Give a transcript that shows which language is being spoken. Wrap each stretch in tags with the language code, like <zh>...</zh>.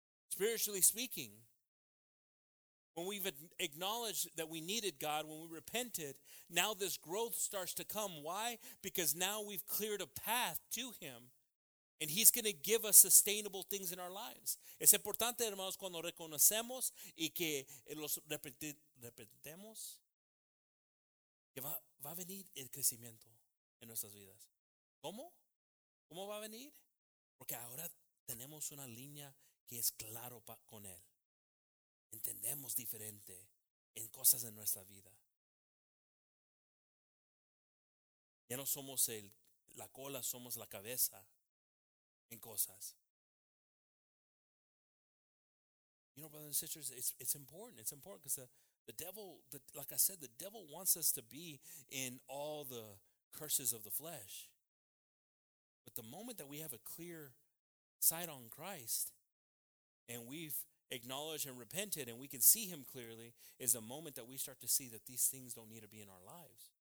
<en>Spiritually speaking, when we've acknowledged that we needed God, when we repented, now this growth starts to come. Why? Because now we've cleared a path to him, and he's going to give us sustainable things in our lives.</en> <es>Es importante, hermanos, cuando reconocemos y que los repetimos, que va a venir el crecimiento en nuestras vidas. ¿Cómo? ¿Cómo va a venir? Porque ahora tenemos una línea que es claro con él. Entendemos diferente en cosas de nuestra vida. Ya no somos la cola, somos la cabeza en cosas.</es> <en>You know, brothers and sisters, it's important. It's important because the devil, like I said, the devil wants us to be in all the curses of the flesh. But the moment that we have a clear sight on Christ and we've acknowledged and repented and we can see him clearly is the moment that we start to see that these things don't need to be in our lives.</en>